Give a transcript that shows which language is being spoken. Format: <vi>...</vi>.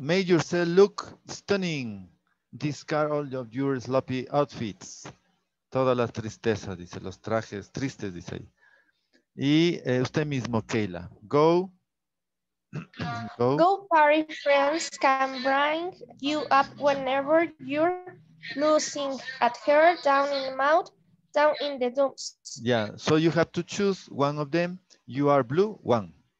<en>Make yourself look stunning, discard all of your sloppy outfits.</en> <es>Toda la tristeza, dice, los trajes tristes, dice ahí. Y usted mismo, Keila.</es> <en>Go party, friends can bring you up whenever you're losing at her, down in the mouth, down in the dumps. Yeah, so you have to choose one of them. You are blue, one.</en>